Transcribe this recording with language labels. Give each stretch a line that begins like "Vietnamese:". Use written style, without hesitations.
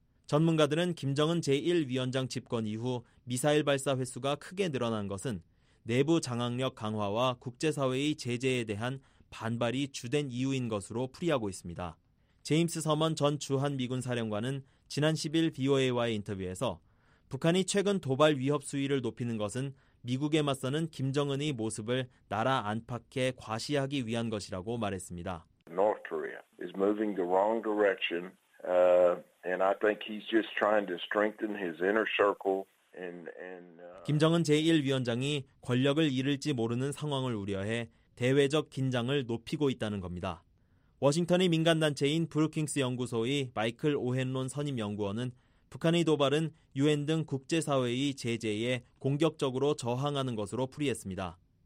Korean: 전문가들은 김정은 제1위원장 집권 이후 미사일 발사 횟수가 크게 늘어난 것은 내부 장악력 강화와 국제사회의 제재에 대한 반발이 주된 이유인 것으로 풀이하고 있습니다. 제임스 서먼 전 주한미군 사령관은 지난 10일 VOA와의 인터뷰에서 북한이 최근 도발 위협 수위를 높이는 것은 미국에 맞서는 김정은의 모습을 나라 안팎에 과시하기 위한 것이라고 말했습니다.
English: North Korea is moving the wrong direction, and I think he's just trying to strengthen his inner circle.
Korean: 김정은 제1위원장이 권력을 잃을지 모르는 상황을 우려해 대외적 긴장을 높이고 있다는 겁니다. 워싱턴의 민간단체인 브루킹스 연구소의 마이클 오헨론 선임 연구원은 북한의 도발은 유엔 등 국제사회의 제재에 공격적으로 저항하는 것으로 풀이했습니다.